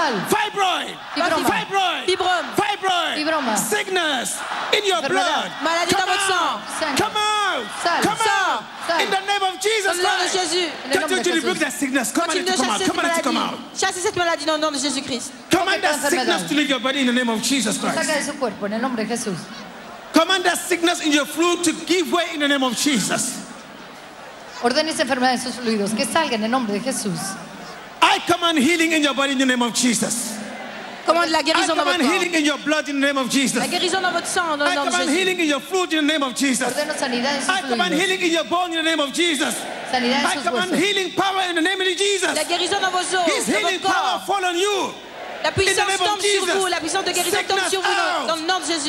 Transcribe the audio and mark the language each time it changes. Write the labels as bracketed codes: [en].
[en] Fibroid. Sickness in your blood. [fr] Maladie dans votre sang. [en] Come out. Come out. In the name of Jesus. [fr] Au nom de Jésus. [en] Come out. [fr] Chassez cette maladie dans le nom de Jésus-Christ. [en] Command that sickness to leave your body in the name of Jesus Christ. [fr] Sacrez ce corps en nom de Jésus. [en] Command that sickness in your fluid to give way in the name of Jesus. [es] Ordene esa enfermedad en sus fluidos que salga en el nombre de Jesús. [en] I command healing in your body in the name of Jesus. [fr] Commande la guérison dans votre sang. [en] I command healing in your blood in the name of Jesus. [fr] La guérison dans votre sang, dans le nom de Jésus. [en] I command healing in your fluid in the name of Jesus. [es] Ordeno sanidad en sus fluidos. [en] I command healing in your bone in the name of Jesus. [es] Sanidad en sus huesos. [en] I command healing power in the name of Jesus. [fr] La guérison dans vos os. [en] His healing power fall on you. [fr] La puissance tombe sur vous. La puissance de guérison tombe sur vous dans le nom de Jésus.